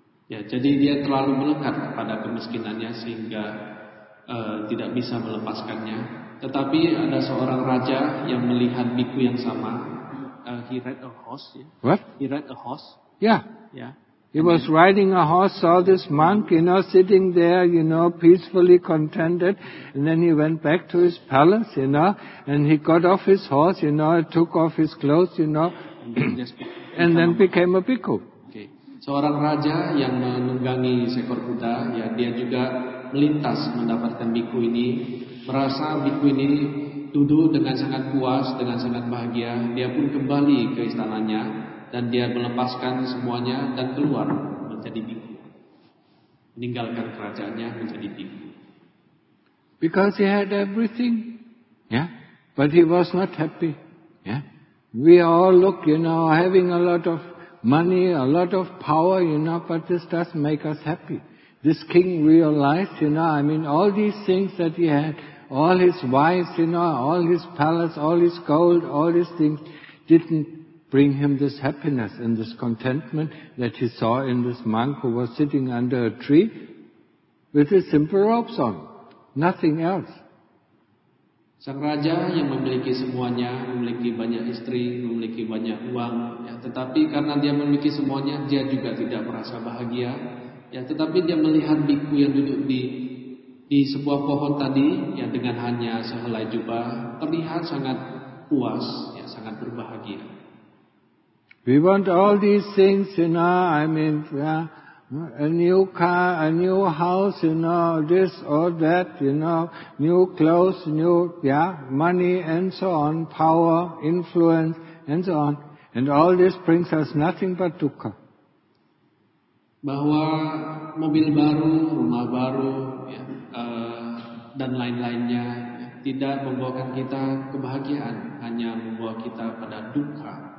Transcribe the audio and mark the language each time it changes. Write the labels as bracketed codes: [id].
[id] Ya, jadi dia terlalu melekat pada kemiskinannya sehingga tidak bisa melepaskannya. Tetapi ada seorang raja yang melihat bhikkhu yang sama. [en] He rode a horse. Yeah. What? He rode a horse. Yeah. Yeah. He was riding a horse, saw this monk, you know, sitting there, you know, peacefully contented. And then he went back to his palace, you know, and he got off his horse, you know, took off his clothes, you know, and then became a bhikkhu. Okay. [id] Seorang raja yang menunggangi seekor kuda, ya, dia juga melintas mendapatkan bhikkhu ini. Merasa bhikkhu ini duduk dengan sangat puas, dengan sangat bahagia, dia pun kembali ke istananya. Dan dia melepaskan semuanya dan keluar menjadi bhikkhu. Meninggalkan kerajaannya menjadi bhikkhu. [en] Because he had everything. Yeah. But he was not happy. Yeah. We all look, you know, having a lot of money, a lot of power, you know, but this doesn't make us happy. This king realized, you know, I mean, all these things that he had, all his wives, you know, all his palace, all his gold, all these things didn't bring him this happiness and this contentment that he saw in this monk who was sitting under a tree with his simple robes on. Nothing else. [id] Sang raja yang memiliki semuanya, memiliki banyak istri, memiliki banyak uang, ya, tetapi karena dia memiliki semuanya, dia juga tidak merasa bhagia. Ya, tetapi dia melihat bhikkhu yang duduk di sebuah pohon tadi, ya, dengan hanya sehelai jubah, terlihat sangat puas, ya, sangat berbahagia. [en] We want all these things, you know, I mean, yeah, a new car, a new house, you know, this or that, you know, new clothes, new, yeah, money and so on, power, influence and so on. And all this brings us nothing but dukkha. [id] Bahwa mobil baru, rumah baru, ya, dan lain-lainnya tidak membawakan kita kebahagiaan, hanya membawa kita pada dukkha.